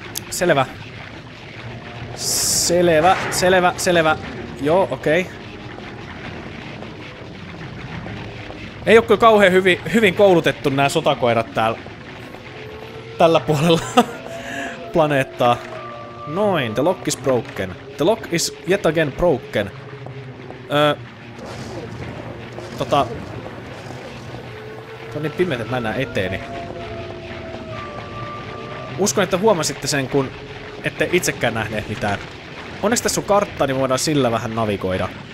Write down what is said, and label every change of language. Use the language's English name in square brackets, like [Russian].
[Finnish] Selvä. Selvä, selvä, selvä. Joo, okei. Okay. Ei oo kyllä kauhean hyvin koulutettu nää sotakoirat täällä. Tällä puolella planeettaa. [English] Noin, the lock is broken. The lock is yet again broken. [Finnish] Tää on niin pimeet, että mä enää eteeni. Uskon, että huomasitte sen, kun ette itsekään nähneet mitään. Onneksi tässä on kartta, niin voidaan sillä vähän navigoida.